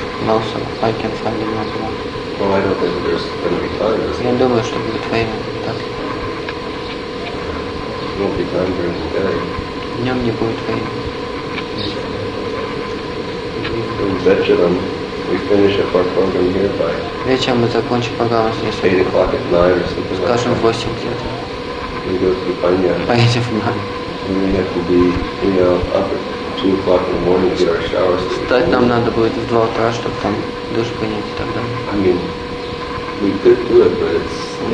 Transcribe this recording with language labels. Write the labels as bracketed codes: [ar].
[en] And also, I can find him another one. Well, I don't think there's going to be time. [ru] Я не думаю, что будет время. Так. [en] Won't be time during the day. [ru] Днем не будет время. [en] We bet you them. We finish up our program here by. [ru] Вечером мы закончим программу здесь. [en] 8 o'clock at night or something. [ru] Скажем, 8 где-то. [en] We go to Panya. [ru] Поедем в [en] Panya. We have to be, you know, up. 2 o'clock in the morning, get our showers. [ru] Встать нам надо будет в 2 утра, чтобы там душ принять и так далее. [en] I mean, we could do it, but it's.